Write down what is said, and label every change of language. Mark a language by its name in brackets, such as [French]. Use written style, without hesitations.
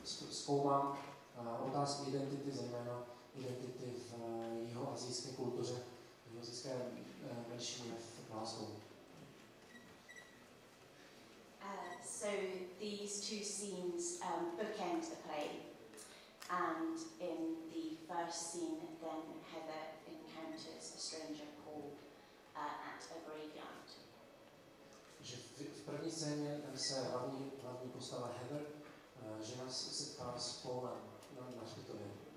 [Czech] Zkoumám otázky identity, zejména identity v jihoasijské kultuře, v jihoasijské menšině v Glasgow. [English] So these two scenes bookend the play, and in the first scene then Heather encounters a stranger called at a graveyard. [Czech] Že v první scéně se hlavní postava Heather žena se ptá s Paulem na hřbitově.